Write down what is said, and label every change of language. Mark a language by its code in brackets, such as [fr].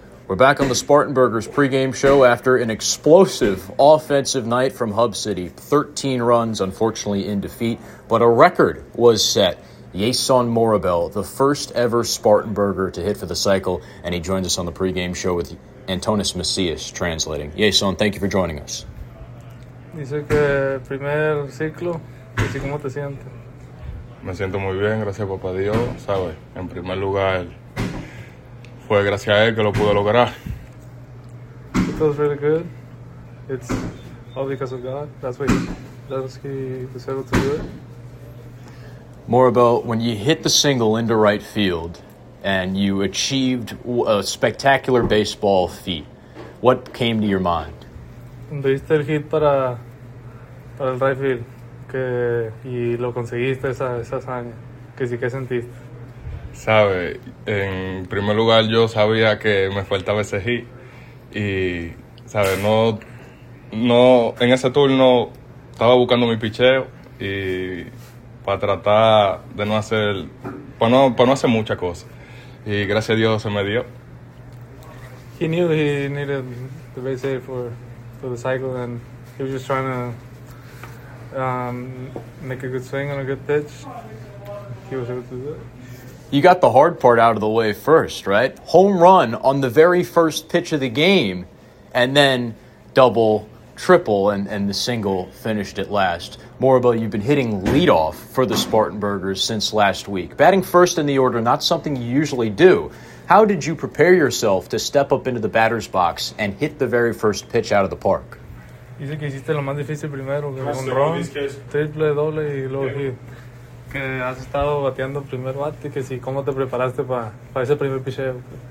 [en] We're back on the Spartan Burgers pregame show after an explosive offensive night from Hub City. 13 runs, unfortunately, in defeat, but a record was set. Yason Morabel, the first ever Spartan Burger to hit for the cycle, and he joins us on the pregame show with Antonis Macias translating. Yason, thank you for joining us. [es] Dice que primer ciclo, así como te sientes. Me siento muy bien, gracias a papá Dios, ¿sabes? En primer lugar, fue gracias a él que lo pude lograr. [en] It feels really good. It's all because of God. That's why he was able to do it. Morabel, when you hit the single into right field and you achieved a spectacular baseball feat, what came to your mind? [es] Cuando hiciste el hit para el right field que, y lo conseguiste esa hazaña, que sí, ¿qué sentiste? Sabe, en primer lugar yo sabía que me faltaba ese hit y, sabe, no en ese turno estaba buscando mi picheo y para tratar de no hacer, para no hacer muchas cosas. Y gracias a Dios se me dio. [en] He knew he needed the base hit for the cycle, and he was just trying to make a good swing on a good pitch. He was able to do it. You got the hard part out of the way first, right? Home run on the very first pitch of the game, and then double, triple, and the single finished at last. Morabel, you've been hitting leadoff for the Spartan Burgers since last week. Batting first in the order, not something you usually do. How did you prepare yourself to step up into the batter's box and hit the very first pitch out of the park? [es] Dice que hiciste lo más difícil primero, que un run, triple, doble y luego hit. Que has estado bateando el primer bate, que si, ¿cómo te preparaste para ese primer picheo?